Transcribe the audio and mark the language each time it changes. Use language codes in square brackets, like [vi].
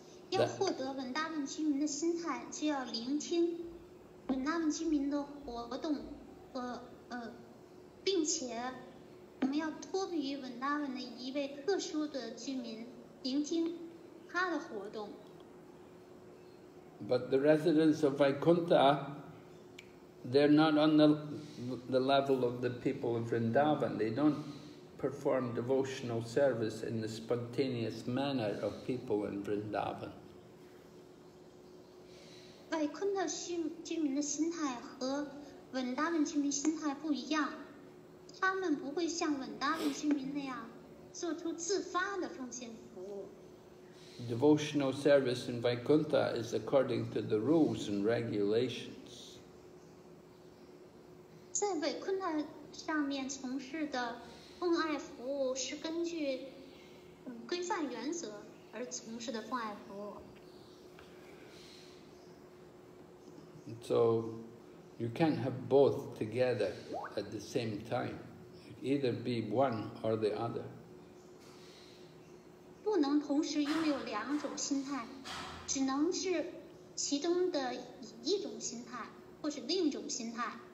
[zh] 要获得文达文居民的心态，就要聆听文达文居民的活动和并且我们要脱离于文达文的一位特殊的居民，聆听他的活动。 [en] But the residents of Vaikuntha, they're not on the level of the people of Vrindavan. They don't perform devotional service in the spontaneous manner of people in Vrindavan. [zh] Vaikuntha 居民的心态和文达文居民心态不一样，他们不会像文达文居民那样做出自发的奉献服务。 [en] Devotional service in Vaikuntha is according to the rules and regulations. [zh] 在维昆塔上面从事的奉爱服务是根据规范原则而从事的奉爱服务。 [en] So, you can't have both together at the same time. Either be one or the other. [zh] 不能同时拥有两种心态，只能是其中的一种心态，或是另一种心态。